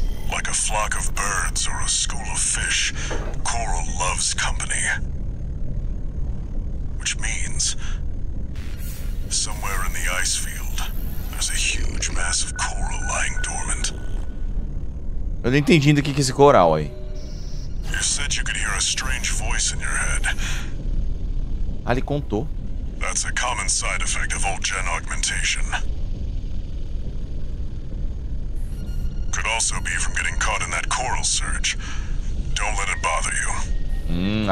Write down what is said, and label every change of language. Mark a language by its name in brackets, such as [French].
[English] Like a flock of birds or a school of fish, coral loves company. Which means, somewhere in the ice field, there's a huge mass of coral lying dormant. [Portuguese] Eu não entendi do que é esse coral aí. [English] You said you could hear a strange voice in your head. [Portuguese] Ah, ele contou. [English] That's a common side effect of old gen augmentation. Could also be from getting caught in that coral surge. Don't let it bother you.